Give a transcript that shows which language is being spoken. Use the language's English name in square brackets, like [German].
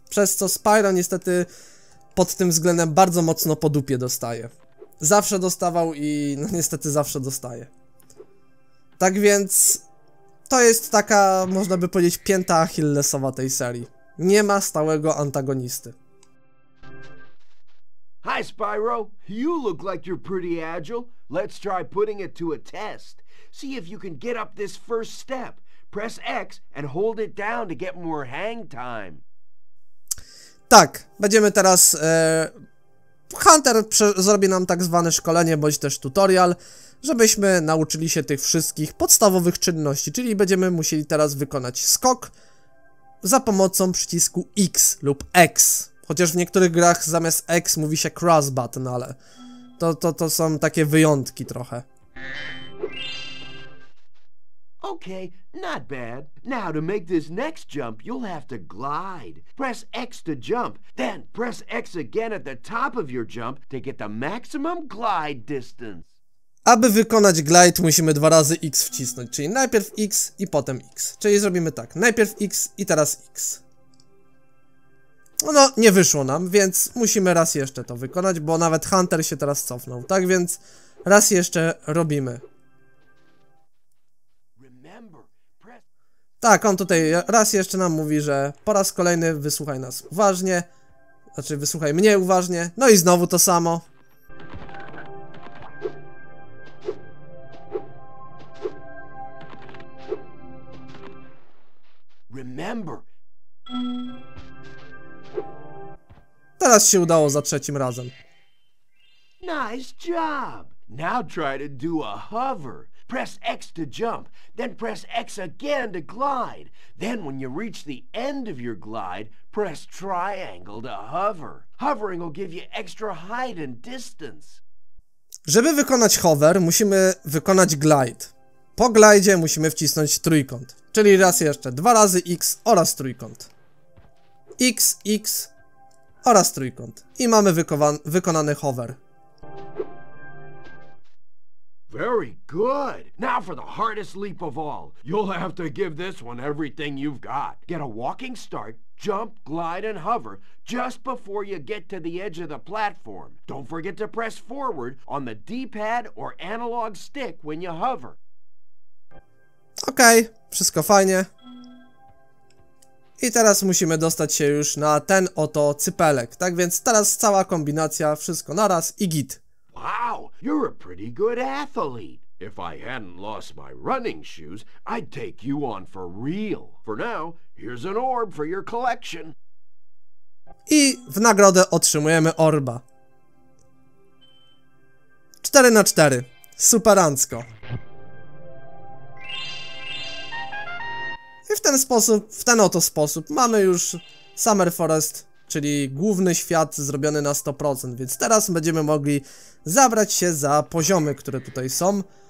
[Polish] Przez co Spyro niestety pod tym względem bardzo mocno po dupie dostaje. Zawsze dostawał i no niestety zawsze dostaje. Tak więc to jest taka, można by powiedzieć, pięta Achillesowa tej serii. Nie ma stałego antagonisty. [English] Hi Spyro, you look like you're pretty agile. Let's try putting it to a test. See if you can get up this first step. Press X and hold it down to get more hang time. [Polish] Tak, będziemy teraz... Hunter zrobi nam tak zwane szkolenie, bądź też tutorial, żebyśmy nauczyli się tych wszystkich podstawowych czynności, czyli będziemy musieli teraz wykonać skok za pomocą przycisku X lub X. Chociaż w niektórych grach zamiast X mówi się cross button, ale to są takie wyjątki trochę. [English] Okay, not bad. Now to make this next jump, you'll have to glide. Press X to jump, then press X again at the top of your jump to get the maximum glide distance. [Polish] Aby wykonać glide, musimy dwa razy X wcisnąć, czyli najpierw X i potem X. Czyli zrobimy tak, najpierw X i teraz X. No, nie wyszło nam, więc musimy raz jeszcze to wykonać, bo nawet Hunter się teraz cofnął. Tak więc raz jeszcze robimy. Tak, on tutaj raz jeszcze nam mówi, że po raz kolejny wysłuchaj nas uważnie. Znaczy, wysłuchaj mnie uważnie. No i znowu to samo. [English] Remember. [Polish] Teraz się udało za trzecim razem. [English] Nice job. Now try to do a hover. Press X to jump, then press X again to glide. Then when you reach the end of your glide, press triangle to hover. Hovering will give you extra height and distance. [Polish] Żeby wykonać hover, musimy wykonać glide. Po glidzie musimy wcisnąć trójkąt. Czyli raz jeszcze, dwa razy X oraz trójkąt. X, X oraz trójkąt. I mamy wykonany hover. [English] Very good. Now for the hardest leap of all. You'll have to give this one everything you've got. Get a walking start, jump, glide and hover just before you get to the edge of the platform. Don't forget to press forward on the D-pad or analog stick when you hover. [Polish] Okej, wszystko fajnie. I teraz musimy dostać się już na ten oto cypelek. Tak więc teraz cała kombinacja, wszystko naraz i git. [English] Wow, you're a pretty good athlete. If I hadn't lost my running shoes, I'd take you on for real. For now, here's an orb for your collection. [Polish] I w nagrodę otrzymujemy orba. 4x4. Superancko. I w ten sposób, w ten oto sposób, mamy już Summer Forest, czyli główny świat zrobiony na 100%, więc teraz będziemy mogli zabrać się za poziomy, które tutaj są.